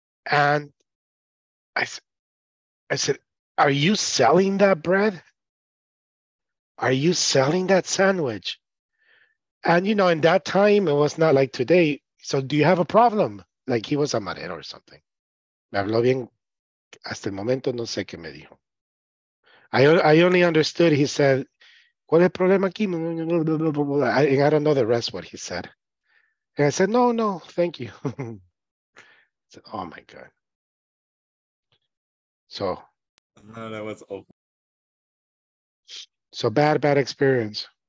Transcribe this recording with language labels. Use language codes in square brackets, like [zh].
[en] And I said, are you selling that bread? Are you selling that sandwich? And, you know, in that time, it was not like today. So do you have a problem? Like, he was a manera or something. [es] Me habló bien. Hasta el momento no sé qué me dijo. [en] I only understood, he said, [es] ¿cuál es el problema aquí? [en] And I don't know the rest what he said. And I said, no, thank you. I said, oh my God. So. No, that was awful. So bad experience.